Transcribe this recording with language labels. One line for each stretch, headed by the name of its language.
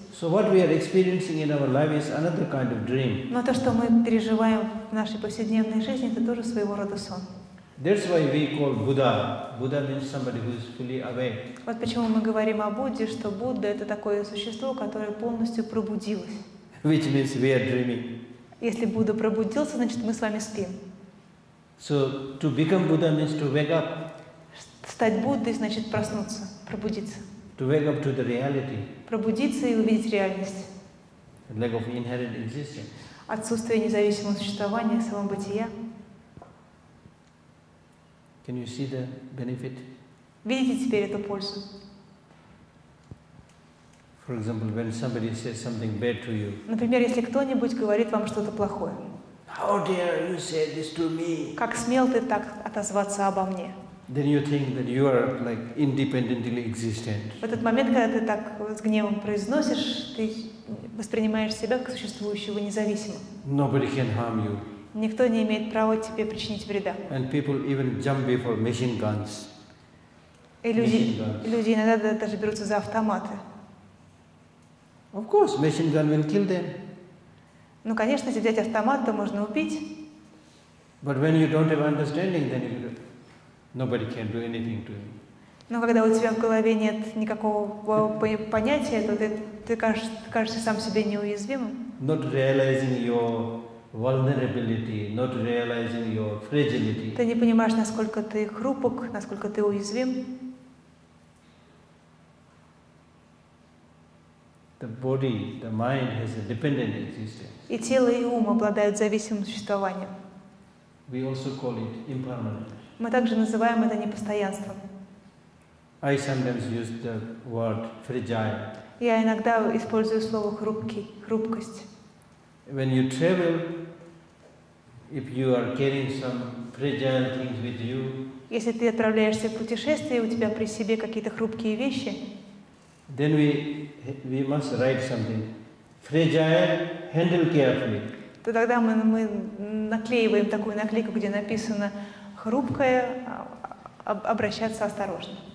English: So what we are experiencing in our life is another kind of dream.
Russian: Но то, что мы переживаем в нашей повседневной жизни, это тоже своего рода сон.
English: That's why we call Buddha. Buddha means somebody who is fully awake.
Russian: Вот почему мы говорим о Будде, что Будда — это такое существо, которое полностью пробудилось.
English: Which means we are dreaming.
Russian: Если Будда пробудился, значит мы с вами спим.
English: So to become Buddha means to wake up.
Russian: Стать Буддой значит проснуться, пробудиться.
English: To wake up to the reality.
Russian: Пробудиться и увидеть реальность.
English: Lack of inherent existence.
Russian: Отсутствие независимого существования, самобытия.
English: Can you see the benefit?
Russian: Видите теперь эту пользу?
English: For example, when somebody says something bad to you.
Russian: Например, если кто-нибудь говорит вам что-то плохое.
English: How dare you say this to me?
Russian: Как смел ты так отозваться обо мне?
English: Then you think that you are like independently existent.
Russian: В этот момент, когда ты так с гневом произносишь, ты воспринимаешь себя как существующего независимо.
English: Nobody can harm you.
Russian: Никто не имеет права тебе причинить вреда.
English: And people even jump before machine guns.
Russian: И люди иногда даже берутся за автоматы.
English: Of course, machine gun will kill them.
Russian: Ну, конечно, если взять автомат, то можно убить.
English: But when you don't have understanding, then nobody can do anything to you.
Russian: Но когда у тебя в голове нет никакого понятия, то ты кажешься сам себе неуязвимым.
English: Not realizing your vulnerability, not realizing your fragility.
Russian: Ты не понимаешь, насколько ты хрупок, насколько ты уязвим.
English: The body, the mind has a dependent existence.
Russian: И тело, и ум обладают зависимым существованием.
English: We also call it impermanent.
Russian: Мы также называем это непостоянством.
English: I sometimes use the word fragile.
Russian: Я иногда использую слово хрупкий, хрупкость.
English: When you travel, if you are carrying some fragile things with you,
Russian: если ты отправляешься в путешествие, у тебя при себе какие-то хрупкие вещи,
English: then we must write something. Fragile, handle carefully.
Russian: То тогда мы наклеиваем такую наклейку, где написано хрупкое, обращаться осторожно.